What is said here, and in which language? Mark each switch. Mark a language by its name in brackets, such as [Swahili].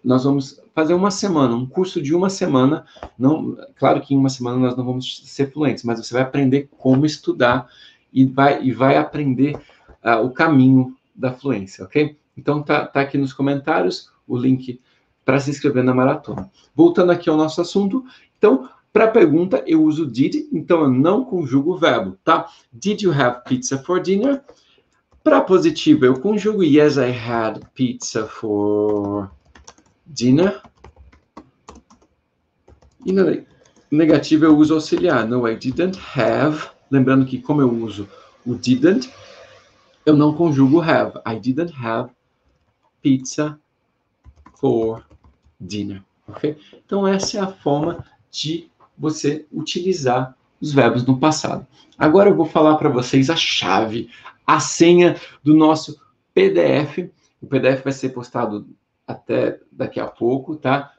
[Portuguese] Nós vamos fazer uma semana, um curso de uma semana. Não, claro que em uma semana nós não vamos ser fluentes, mas você vai aprender como estudar e vai aprender o caminho da fluência, ok? Então tá aqui nos comentários o link para se inscrever na maratona. Voltando aqui ao nosso assunto. Então, para a pergunta, eu uso did, então eu não conjugo o verbo, tá? [English] Did you have pizza for dinner? [Portuguese] Para a positiva, eu conjugo [English] yes, I had pizza for dinner. [Portuguese] E na negativa, eu uso auxiliar, [English] no, I didn't have. [Portuguese] Lembrando que, como eu uso o didn't, eu não conjugo o have. [English] I didn't have pizza for dinner, ok? [Portuguese] Então, essa é a forma de você utilizar os verbos no passado. Agora eu vou falar para vocês a chave, a senha do nosso PDF. O PDF vai ser postado até daqui a pouco, tá?